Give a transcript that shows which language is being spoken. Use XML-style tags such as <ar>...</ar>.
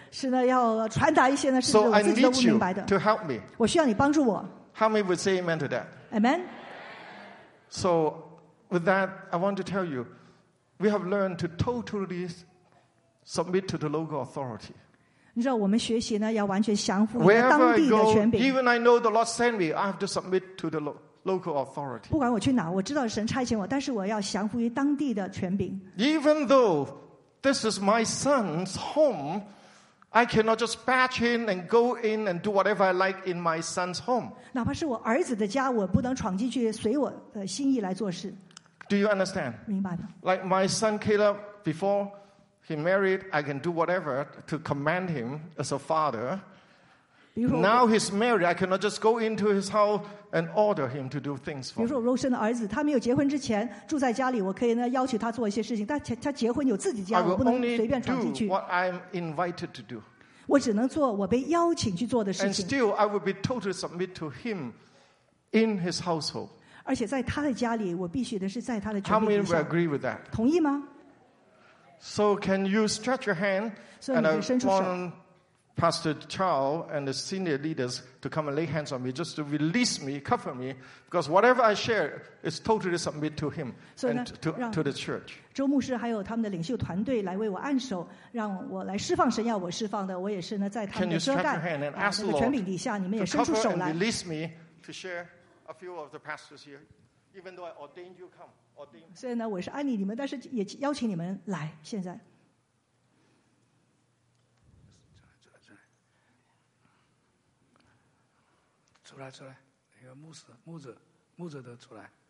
<zh>是呢，要传达一些呢，是我自己都不明白的。</zh> <en>So I need you to help me.</en> <zh>我需要你帮助我。</zh> <en>How many would say amen to that? Amen. So, with that, I want to tell you, we have learned to totally submit to the local authority.</en> <zh>你知道我们学习呢，要完全降服在当地的权柄。</zh> <en>Even I know the Lord sent me, I have to submit to the local authority.</en> <zh>不管我去哪，我知道神差遣我，但是我要降服于当地的权柄。</zh> <en>Even though this is my son's home, I cannot just patch in and go in and do whatever I like in my son's home.</en> <zh>哪怕是我儿子的家，我不能闯进去，随我的心意来做事。</zh> <en>Do you understand?</en> <zh>明白吗？</zh> <en>Like my son Caleb, before he married, I can do whatever to command him as a father. Now he's married, I cannot just go into his house and order him to do things for.</en> <zh>比如说 Roshan 的儿子，他没有结婚之前住在家里，我可以呢要求他做一些事情。但他结婚有自己家，我不能随便闯进去。</zh> <en>I will only do what I'm invited to do.</en> <zh>我只能做我被邀请去做的事情。</zh> <en>And still, I will be totally submit to him in his household.</en> <zh>而且在他的家里，我必须的是在他的权柄</zh> <en>下。How many will agree with that?</en> <zh>同意吗？</zh> <en>So can you stretch your hand?</en> <zh>所以你可以伸出手。</zh> <en>Pastor Chow and the senior leaders to come and lay hands on me just to release me, cover me, because whatever I share is totally submit to him and to the church.</en> <zh>周牧师还有他们的领袖团队来为我按手，让我来释放神要我释放的。我也是呢，在他们的遮盖啊那个权柄底下，你们也伸出手来。</zh> <en>Release me to share a few of the pastors here, even though I ordained you come.</en> <zh>虽然呢，我是安利你们，但是也邀请你们来现在。出来，出来！那个牧师、牧者、牧者都出来。</zh>